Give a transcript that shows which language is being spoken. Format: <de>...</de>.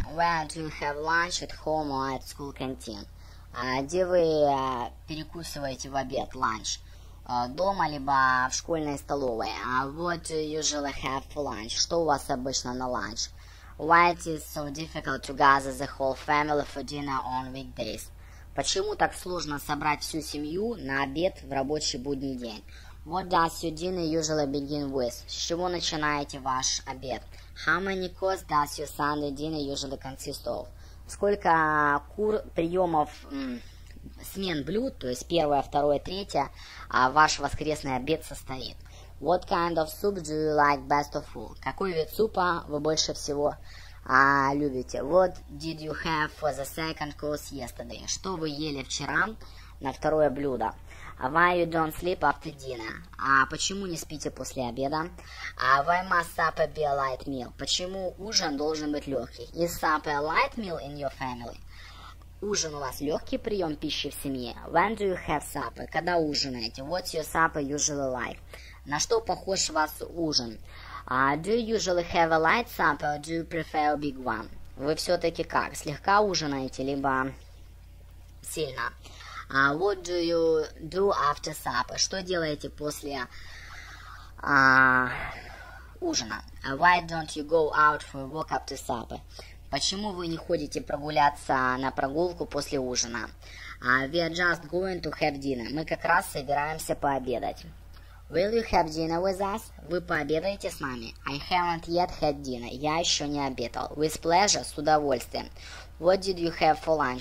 <en>Where do you have lunch at home or at school canteen?</en> <ru>Где вы перекусываете в обед, lunch? Дома либо в школьной столовой.</ru> <en>What do you usually have for lunch?</en> <ru>Что у вас обычно на lunch?</ru> <en>Why it is so difficult to gather the whole family for dinner on weekdays?</en> <ru>Почему так сложно собрать всю семью на обед в рабочий будний день?</ru> <en>What does your dinner usually begin with?</en> <ru>С чего начинаете ваш обед?</ru> <en>How many courses does your Sunday dinner usually consist of?</en> <ru>Сколько приемов смен блюд, то есть первое, второе, третье, ваш воскресный обед состоит?</ru> <en>What kind of soup do you like best of all?</en> <ru>Какой вид супа вы больше всего любите?</ru> <en>What did you have for the second course yesterday?</en> <ru>Что вы ели вчера на второе блюдо?</ru> <en>Why you don't sleep after dinner?</en> <ru>Почему не спите после обеда?</ru> <en>Why must supper be a light meal?</en> <ru>Почему ужин должен быть легкий?</ru> <en>Is supper a light meal in your family?</en> <ru>Ужин у вас легкий прием пищи в семье?</ru> <en>When do you have supper?</en> <ru>Когда ужинаете?</ru> <en>What's your supper usually like?</en> <ru>На что похож ваш ужин?</ru> <en>Do you usually have a light supper or do you prefer a big one?</en> <ru>Вы все-таки как? Слегка ужинаете, либо сильно?</ru> <en>What do you do after supper?</en> <ru>Что делаете после ужина?</ru> <en>Why don't you go out for a walk after supper?</en> <ru>Почему вы не ходите прогуляться на прогулку после ужина?</ru> <en>We are just going to have dinner.</en> <ru>Мы как раз собираемся пообедать.</ru> <en>Will you have dinner with us?</en> <ru>Вы пообедаете с нами?</ru> <en>I haven't yet had dinner.</en> <ru>Я еще не обедал.</ru> <en>With pleasure,</en> <ru>с удовольствием.</ru> <en>What did you have for lunch?</en>